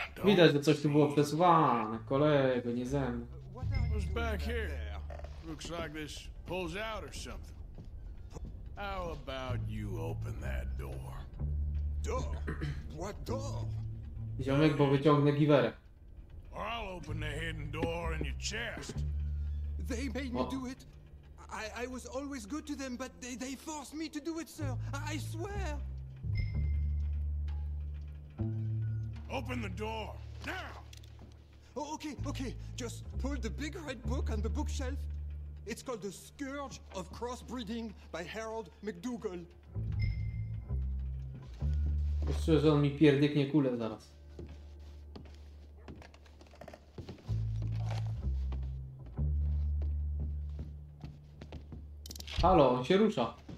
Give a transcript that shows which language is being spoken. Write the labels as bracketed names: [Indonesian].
[Polish] Widać, że coś tu było przesuwane. Kolego, nie ze mną. [English] What's back here? Looks like this pulls out or something. How about you open that door? Door? What door? [Polish] Ziomek, bo wyciągnę giwerę. [English] Or I'll open the hidden door in your chest. They made me do it. I was always good to them, but they forced me to do it, sir. I swear. Open the door now. Oh, okay, okay. Just pull the big red book on the bookshelf. It's called The Scourge of Crossbreeding by Harold McDougall. [Polish] Myślę, że on mi pierdyknie kulę zaraz. Halo, on się rusza.